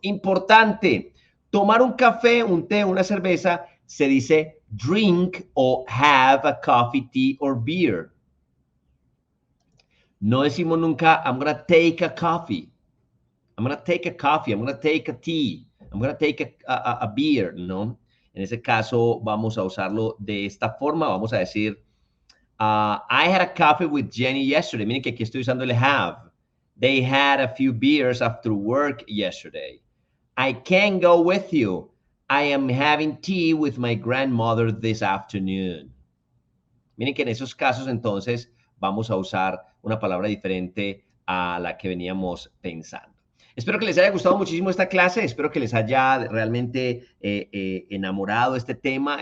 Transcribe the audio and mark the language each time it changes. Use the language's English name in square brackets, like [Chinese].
[Spanish] Importante, tomar un café, un té, una cerveza, se dice drink o [English] have a coffee, tea or beer. [Spanish] No decimos nunca, [English] I'm gonna take a coffee, I'm gonna take a tea, I'm gonna take a beer, ¿no? [Spanish] En ese caso, vamos a usarlo de esta forma. Vamos a decir, [English] I had a coffee with Jenny yesterday. [Spanish] Miren que aquí estoy usando el have. [English] They had a few beers after work yesterday. I can go with you. I am having tea with my grandmother this afternoon. [Spanish] Miren que en esos casos, entonces, vamos a usar una palabra diferente a la que veníamos pensando. Espero que les haya gustado muchísimo esta clase. Espero que les haya realmente enamorado este tema.